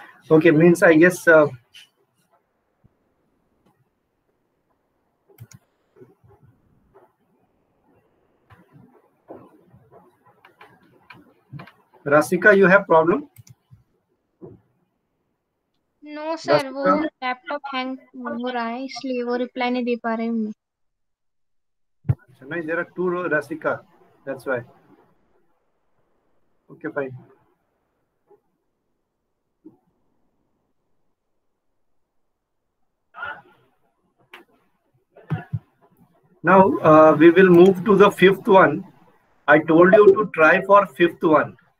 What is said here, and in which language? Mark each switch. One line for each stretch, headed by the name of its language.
English: Okay, means I guess Rasika, you have problem? No, sir.
Hindi: वो laptop hang हो रहा है इसलिए वो reply नहीं दे पा रहे हूँ मैं. अच्छा नहीं,
English: there are 2 Rasika, that's why. Okay, fine. Now we will move to the 5th one. I told you to try for 5th one.